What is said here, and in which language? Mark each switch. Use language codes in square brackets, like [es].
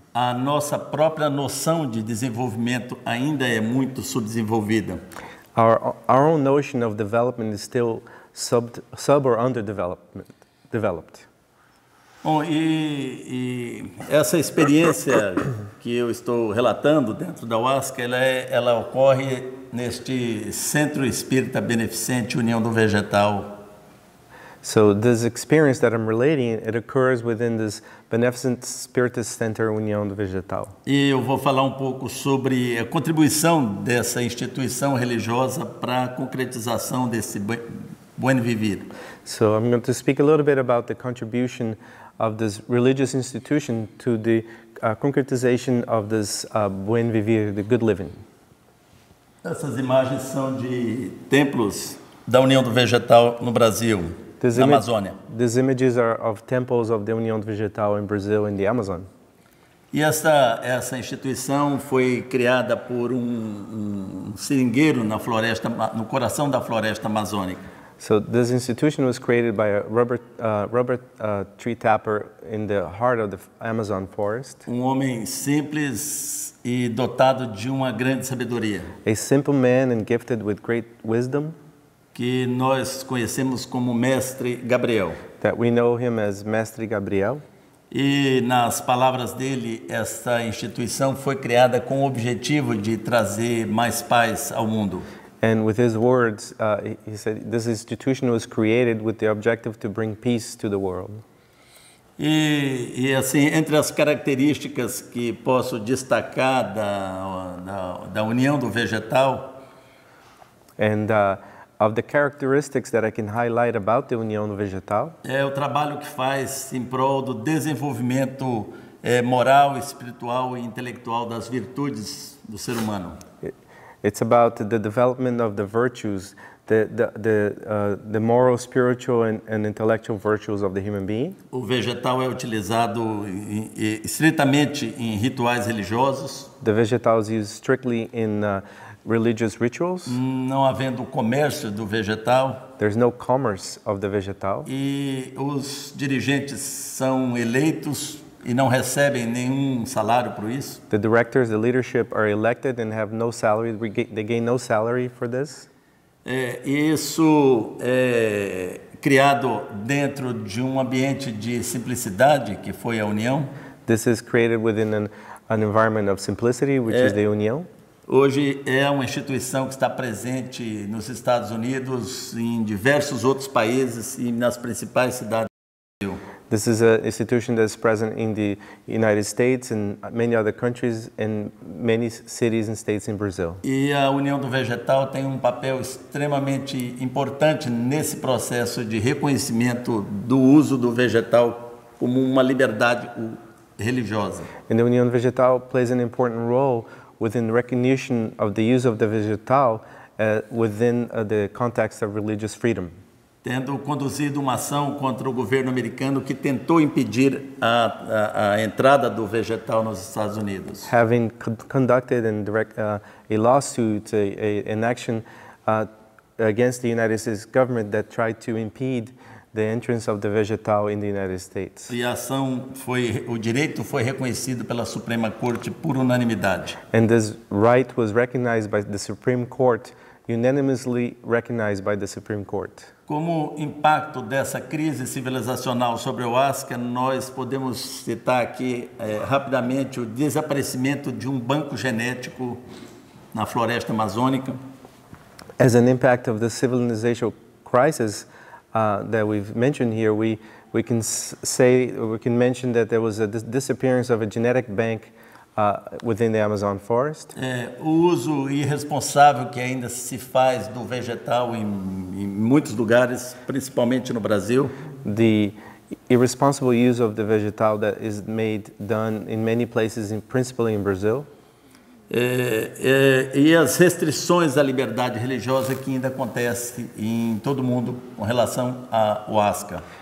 [pt] A nossa própria noção de desenvolvimento ainda é muito subdesenvolvida. [en] Our own notion of development is still sub or underdeveloped. [pt] Bom, e essa experiência que eu estou relatando dentro da ayahuasca, ela ocorre neste Centro Espírita Beneficente União do Vegetal. [en] So this experience that I'm relating, it occurs within this Beneficent Spiritist Center União do Vegetal. [pt] E eu vou falar um pouco sobre a contribuição dessa instituição religiosa para a concretização desse buen vivir. [en] So I'm going to speak a little bit about the contribution of this religious institution to the concretization of this buen vivir, the good living. [pt] Essas imagens são de templos da União do Vegetal no Brasil. [en] These images are of temples of the União do Vegetal in Brazil, in the Amazon. [pt] E essa instituição foi criada por um seringueiro na floresta, no coração da floresta amazônica. [en] So this institution was created by a rubber tree tapper in the heart of the Amazon forest. [pt] Um homem simples e dotado de uma grande sabedoria. [en] A simple man and gifted with great wisdom. [pt] Que nós conhecemos como Mestre Gabriel. [en] That we know him as Mestre Gabriel. [pt] E nas palavras dele, esta instituição foi criada com o objetivo de trazer mais paz ao mundo. [en] And with his words, he said, this institution was created with the objective to bring peace to the world. [pt] E assim, entre as características que posso destacar da união do vegetal. [en] And of the characteristics that I can highlight about the união vegetal. [pt] É o trabalho que faz em prol do desenvolvimento moral, espiritual e intelectual das virtudes do ser humano. [en] It's about the development of the virtues, the moral, spiritual, and intellectual virtues of the human being. [pt] O vegetal é utilizado estritamente em rituais religiosos. [en] The vegetal is used strictly in religious rituals. [pt] Não havendo comércio do vegetal. [en] There's no commerce of the vegetal. [pt] E os dirigentes são eleitos. E não recebem nenhum salário por isso. [en] The directors, the leadership are elected and have no salary. They gain no salary for this. [pt] Isso é criado dentro de um ambiente de simplicidade, que foi a união. [en] This is created within an environment of simplicity, which is the união. [pt] Hoje é uma instituição que está presente nos Estados Unidos, em diversos outros países e nas principais cidades do Brasil. [en] This is an institution that is present in the United States and many other countries and many cities and states in Brazil. [pt] E a União do Vegetal tem um papel extremamente importante nesse processo de reconhecimento do uso do vegetal como uma liberdade religiosa. [en] And the União do Vegetal plays an important role within recognition of the use of the vegetal within the context of religious freedom. [pt] Tendo conduzido uma ação contra o governo americano que tentou impedir a entrada do vegetal nos Estados Unidos. [en] Having conducted and direct a lawsuit, an action against the United States government that tried to impede the entrance of the vegetal in the United States. [pt] E a ação foi, o direito foi reconhecido pela Suprema Corte por unanimidade. [en] And this right was recognized by the Supreme Court, unanimously recognized by the Supreme Court. [pt] Como impacto dessa crise civilizacional sobre o Ayahuasca, nós podemos citar aqui rapidamente o desaparecimento de um banco genético na floresta amazônica. [en] As an impact of the civilizational crisis that we've mentioned here, we can mention that there was a disappearance of a genetic bank within the Amazon forest. [pt] O uso irresponsável que ainda se faz do vegetal em muitos lugares, principalmente no Brasil. [en] The irresponsible use of the vegetal that is made done in many places, principally in Brazil. [pt] E as restrições à liberdade religiosa que ainda acontece em todo o mundo com relação à Ayahuasca.